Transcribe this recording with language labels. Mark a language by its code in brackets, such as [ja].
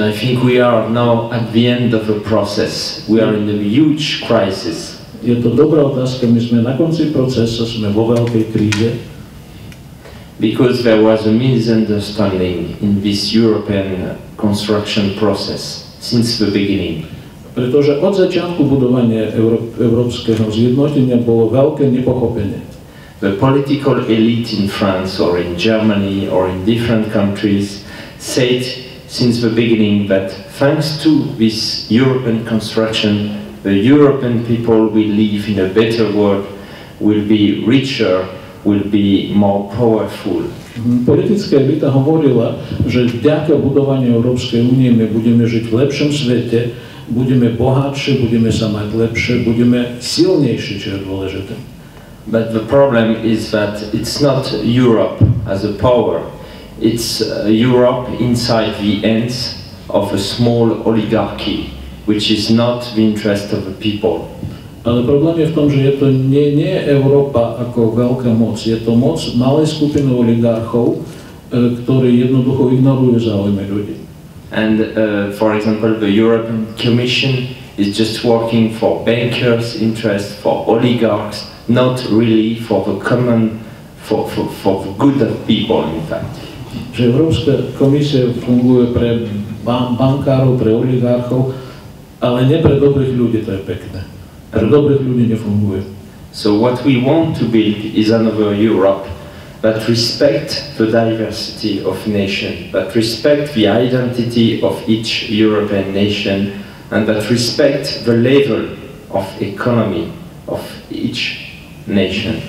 [en] I think we are now at the end of a process. We are in a huge crisis. [sk] Je to dobrá otázka. My sme na konci procesa, sme vo veľkej kríze. [en] Because there was a misunderstanding in this European construction process since the beginning. [sk] Pretože od začiatku budovania európskeho zjednotenia bolo veľké nepochopenie. [en] The political elite in France or in Germany or in different countries said since the beginning that thanks to this European construction, the European people will live in a better world, will be richer, will be more powerful. [sk] Politická elita hovorila, že vďaka budovaniu Európskej únie my budeme žiť v lepšom svete, budeme bohatšie, budeme sa mať lepšie, budeme silnejšie, čo je dôležité. [en] But the problem is that it's not Europe as a power. It's Europe inside the ends of a small oligarchy, which is not the interest of the people. [sk] Ale problém je v tom, že je to nie Európa ako veľká moc. Je to moc malej skupiny oligarchov, ktorí jednoducho ignorujú záujmy ľudí. [en] And for example, the European Commission is just working for bankers' interest, for oligarchs, not really for the common, for the good of people, in fact. [sk] Že Európska komisia funguje pre bankárov, pre oligarchov, ale nie pre dobrých ľudí, to je pekné. Pre dobrých ľudí nefunguje. [en] So what we want to build is another Europe that respects the diversity of nation, that respects the identity of each European nation, and that respects the level of economy of each nation.